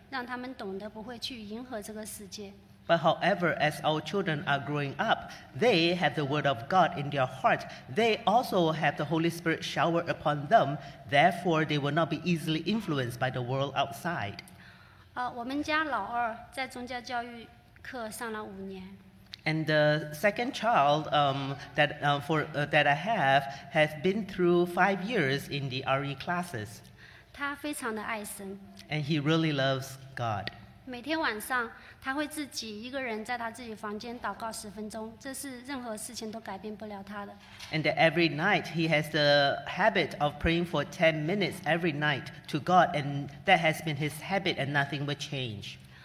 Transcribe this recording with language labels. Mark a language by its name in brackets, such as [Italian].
[Chinese] 以及圣灵的浇灌滋润，让他们懂得不会去迎合这个世界。 [English] But however, as our children are growing up, they have the word of God in their heart. They also have the Holy Spirit showered upon them. Therefore, they will not be easily influenced by the world outside. [Chinese] 我们家老二在宗教教育课上了五年。 [English] And the second child that I have has been through 5 years in the RE classes. [Chinese] 他非常的爱神, [English] and he really loves God. [Chinese] 每天晚上他会自己一个人在他自己房间祷告十分钟, 这是任何事情都改变不了他的。 [English] And every night he has the habit of praying for 10 minutes every night to God, and that has been his habit and nothing will change.